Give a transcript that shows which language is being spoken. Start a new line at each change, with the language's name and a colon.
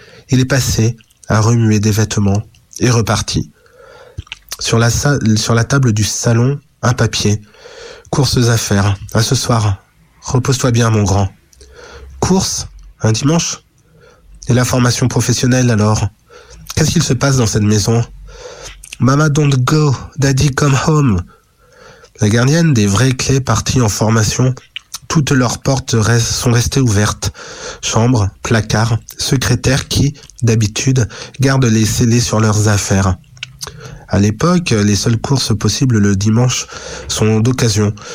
French: Il est passé, a remué des vêtements, et reparti. Sur la table du salon, un papier. Courses à faire, à ce soir. Repose-toi bien, mon grand. Courses, un dimanche? Et la formation professionnelle, alors? Qu'est-ce qu'il se passe dans cette maison?
English: Mama don't go, daddy come home.
French: La gardienne des vraies clés partie en formation, toutes leurs portes sont restées ouvertes. Chambre, placard, secrétaire qui, d'habitude, gardent les scellés sur leurs affaires. À l'époque, les seules courses possibles le dimanche sont d'occasion.